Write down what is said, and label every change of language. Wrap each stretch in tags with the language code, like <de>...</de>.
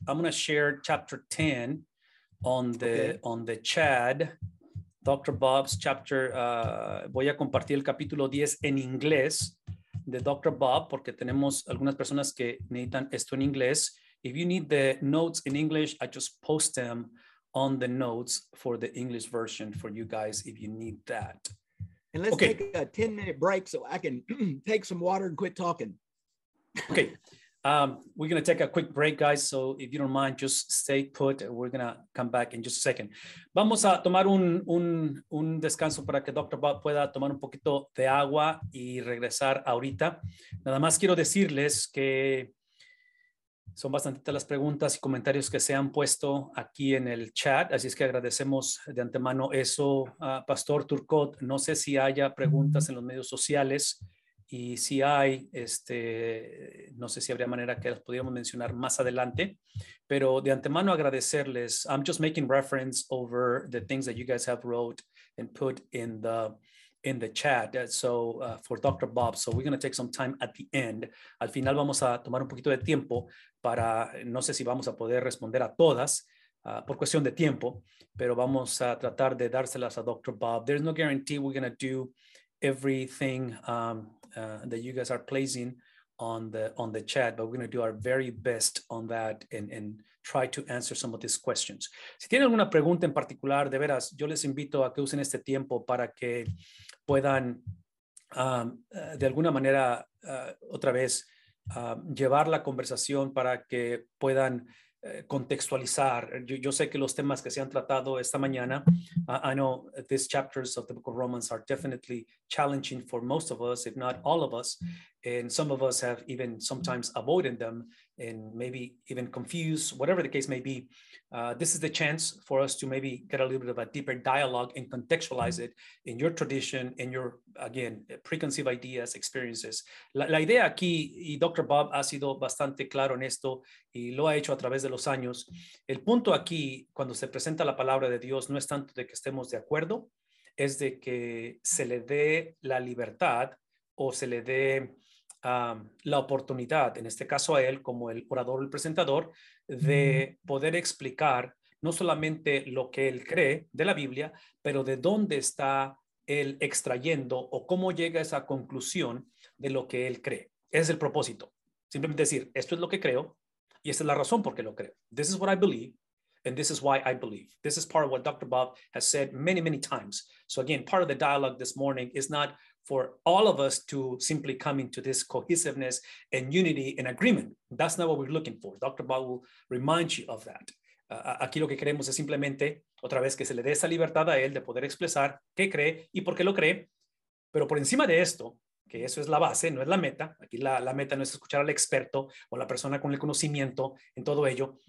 <en>I'm going to share chapter 10 on the on the chat. Dr. Bob's chapter.</en> <es>Voy a compartir el capítulo 10 en inglés de Dr. Bob porque tenemos algunas personas que necesitan esto en inglés.</es> <en>If you need the notes in English, I just post them on the notes for the English version for you guys if you need that. And let's take a 10-minute break so I can take some water and quit talking. Okay. We're going to take a quick break, guys. So if you don't mind, just stay put. We're going to come back in just a second.</en> <es>Vamos a tomar un descanso para que Dr. Bob pueda tomar un poquito de agua y regresar ahorita. Nada más quiero decirles que son bastantitas las preguntas y comentarios que se han puesto aquí en el chat, así es que agradecemos de antemano eso. Pastor Turcot, no sé si haya preguntas en los medios sociales, y si hay, no sé si habría manera que las pudiéramos mencionar más adelante, pero de antemano agradecerles.</es> <en>I'm just making reference over the things that you guys have wrote and put in the chat, so for Dr. Bob. So we're going to take some time at the end.</en> <es>Al final vamos a tomar un poquito de tiempo para, no sé si vamos a poder responder a todas por cuestión de tiempo, pero vamos a tratar de dárselas a Dr. Bob.</es> <en>There's no guarantee we're going to do everything that you guys are placing on the chat, but we're going to do our very best on that and try to answer some of these questions.</en> <es>Si tienen alguna pregunta en particular, de veras, yo les invito a que usen este tiempo para que puedan de alguna manera otra vez llevar la conversación para que puedan contextualizar. Yo sé que los temas que se han tratado esta mañana,</es> <en>I know these chapters of the Book of Romans are definitely challenging for most of us, if not all of us, and some of us have even sometimes avoided them and maybe even confused, whatever the case may be. This is the chance for us to maybe get a little bit of a deeper dialogue and contextualize it in your tradition, in your, again, preconceived ideas, experiences.</en> <es>La idea aquí, y Dr. Bob ha sido bastante claro en esto, y lo ha hecho a través de los años, el punto aquí, cuando se presenta la palabra de Dios, no es tanto de que estemos de acuerdo, es de que se le dé la libertad o se le dé la oportunidad, en este caso a él como el orador, el presentador, de poder explicar no solamente lo que él cree de la Biblia, pero de dónde está él extrayendo o cómo llega a esa conclusión de lo que él cree. Ese es el propósito. Simplemente decir, esto es lo que creo y esta es la razón por qué lo creo.</es> <en>This is what I believe and this is why I believe. This is part of what Dr. Bob has said many, many times. So again, part of the dialogue this morning is not for all of us to simply come into this cohesiveness and unity and agreement. That's not what we're looking for. Dr. Bob will remind you of that.</en> <es>Aquí lo que queremos es simplemente, otra vez, que se le dé esa libertad a él de poder expresar qué cree y por qué lo cree. Pero por encima de esto, que eso es la base, no es la meta. Aquí la meta no es escuchar al experto o la persona con el conocimiento en todo ello.</es>